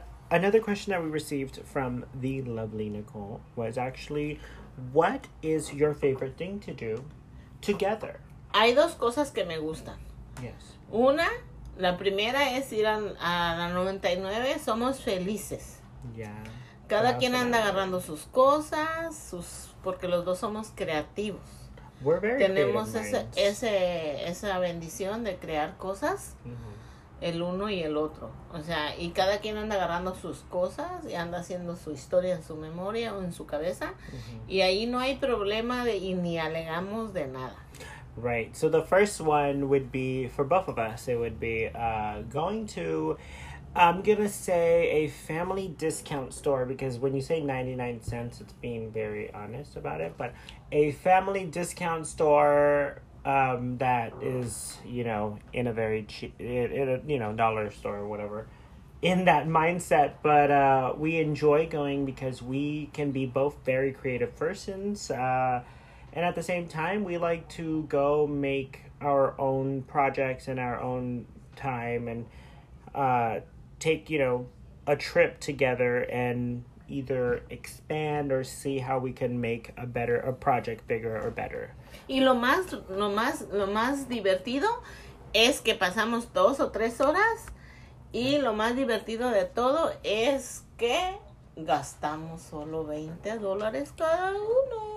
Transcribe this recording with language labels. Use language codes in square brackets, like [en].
[en] another question that we received from the lovely Nicole was actually, what is your favorite thing to do together? [es] Hay dos cosas que me gustan. [en] Yes. [es] Una, la primera es ir a la 99, somos felices. [en] Yeah. [es] Cada quien anda agarrando sus cosas, sus porque los dos somos creativos. [en] We're very creative. [es] Tenemos esa bendición de crear cosas. Mm-hmm. El uno y el otro. O sea, y cada quien anda agarrando sus cosas y anda haciendo su historia en su memoria o en su cabeza. Uh-huh. Y ahí no hay problema de, y ni alegamos de nada. [en] Right. So the first one would be, for both of us, it would be going to, I'm going to say a family discount store, because when you say 99 cents, it's being very honest about it. But a family discount store... that is, you know, in a very cheap, dollar store or whatever, in that mindset. But we enjoy going because we can be both very creative persons. And at the same time, we like to go make our own projects in our own time and take, you know, a trip together and either expand or see how we can make a project bigger or better. [es] Y lo más divertido es que pasamos 2 o 3 horas y lo más divertido de todo es que gastamos solo $20 cada uno.